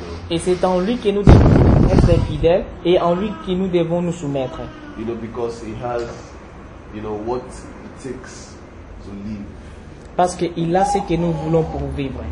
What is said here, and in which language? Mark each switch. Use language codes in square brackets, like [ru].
[fr] Et c'est en lui que nous devons être fidèles et en lui que nous devons nous soumettre. [en] You know, because he has, you know, what it takes to live. [fr] Parce qu'il a ce que nous voulons pour vivre.